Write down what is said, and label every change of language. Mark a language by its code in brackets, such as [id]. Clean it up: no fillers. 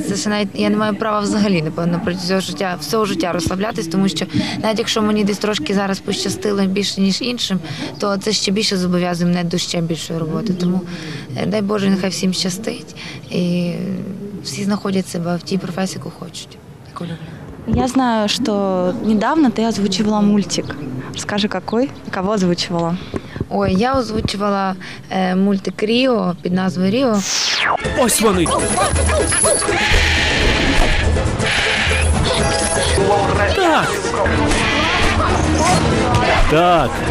[uk] Це ще навіть я не маю права взагалі, напевно, протягом цього життя, всього життя розслаблятися, тому що навіть якщо мені десь трошки зараз пощастило більше, ніж іншим, то це ще більше зобов'язує мене до ще більшої роботи. Тому дай Боже, нехай всім щастить. І всі знаходять себе в тій професії, яку хочуть. Таку люблю. [ru] Я знаю, что недавно ты озвучивала мультик. Скажи, какой? Кого озвучивала? Ой, я озвучивала мультик Ріо під назвою Ріо. [uk] Ось вони. Так. Так.